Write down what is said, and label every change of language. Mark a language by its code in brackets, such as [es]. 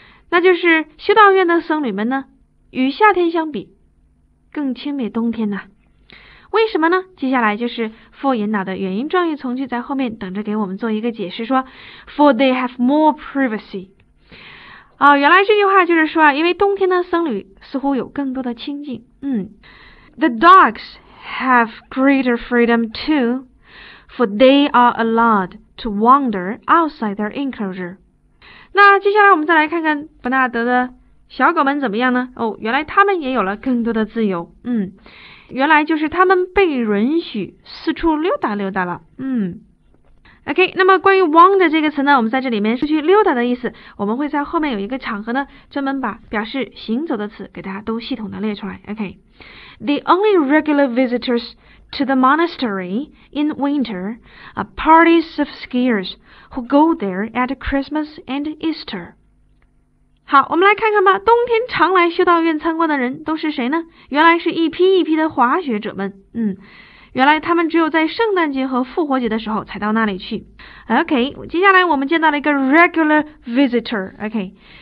[zh] 那就是修道院的僧侣们呢与夏天相比更轻蔑冬天呐。为什么呢？接下来就是 for 引导的原因状语从句在后面等着给我们做一个解释，说 [en] for they have more privacy。 [zh] 原来这句话就是说啊，因为冬天呢僧侣似乎有更多的清静。 [en] The dogs have greater freedom too, for they are allowed to wander outside their enclosure. [zh] 那接下来我们再来看看伯纳德的小狗们怎么样呢？原来他们也有了更多的自由。原来就是他们被允许四处溜达溜达了。 OK, 那么关于 wander 这个词呢，我们在这里面出去溜达的意思，我们会在后面有一个场合呢专门把表示行走的词给大家都系统的列出来。 [en] OK, the only regular visitors to the monastery in winter are parties of skiers who go there at Christmas and Easter. [zh] 好，我们来看看吧，冬天常来修道院参观的人都是谁呢？原来是一批一批的滑雪者们。原来他们只有在圣诞节和复活节的时候才到那里去。 OK, 接下来我们见到了一个 regular visitor, OK。